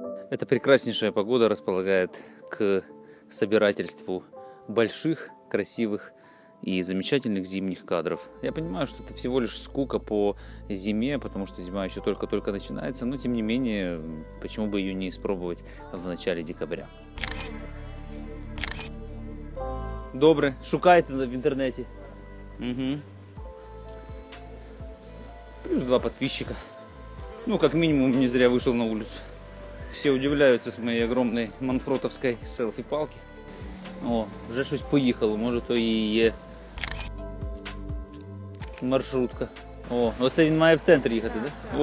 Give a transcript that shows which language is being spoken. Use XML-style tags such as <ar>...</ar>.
<ru>Эта прекраснейшая погода располагает к собирательству больших, красивых и замечательных зимних кадров. Я понимаю, что это всего лишь скука по зиме, потому что зима еще только-только начинается, но тем не менее, почему бы ее не испробовать в начале декабря.</ru> <uk>Добре, шукайте в інтернеті. Угу.</uk> <ru>Плюс 2 подписчика. Ну, как минимум, не зря вышел на улицу. Все удивляются с моей огромной манфротовской селфи-палки.</ru> <uk>О, уже щось поїхало, може то і є маршрутка. О, оце він має в центр їхати, да?</uk>